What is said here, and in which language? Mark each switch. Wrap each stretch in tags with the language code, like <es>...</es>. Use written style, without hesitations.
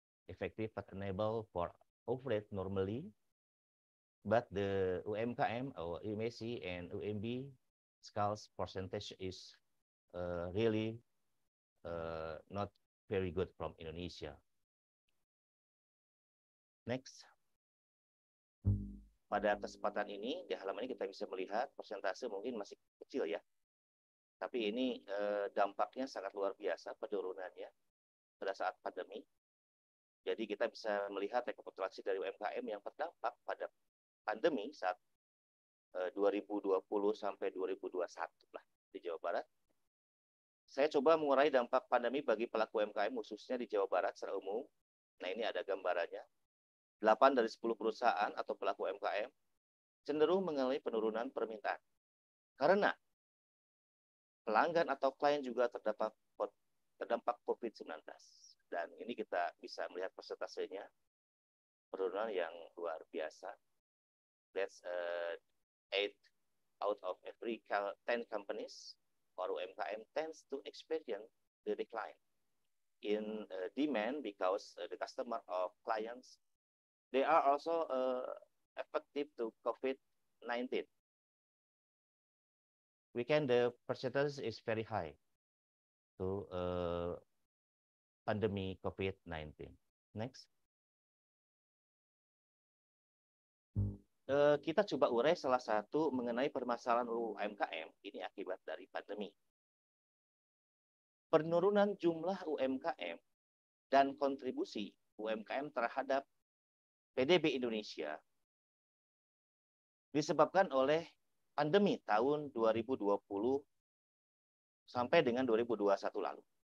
<en>Effective but unable for operate normally, but the UMKM or M.Si and UMB scales percentage is really not very good from Indonesia. Next.</en> <id>Pada kesempatan ini, di halaman ini kita bisa melihat persentase mungkin masih kecil ya. Tapi ini dampaknya sangat luar biasa penurunannya pada saat pandemi. Jadi kita bisa melihat rekapitulasi dari UMKM yang terdampak pada pandemi saat 2020 sampai 2021 lah di Jawa Barat. Saya coba mengurai dampak pandemi bagi pelaku UMKM khususnya di Jawa Barat secara umum. Nah ini ada gambarannya. 8 dari 10 perusahaan atau pelaku UMKM cenderung mengalami penurunan permintaan. Karena pelanggan atau klien juga terdampak COVID-19. Dan ini kita bisa melihat persentasenya. Penurunan yang luar biasa.</id> <en>That's 8 out of every 10 companies or UMKM tends to experience the decline in demand because the customer or clients they are also effective to COVID-19. We can the percentage is very high to pandemic COVID-19. Next.</en> <id>Kita coba urai salah satu mengenai permasalahan UMKM ini akibat dari pandemi. Penurunan jumlah UMKM dan kontribusi UMKM terhadap PDB Indonesia disebabkan oleh pandemi tahun 2020 sampai dengan 2021 lalu.</id>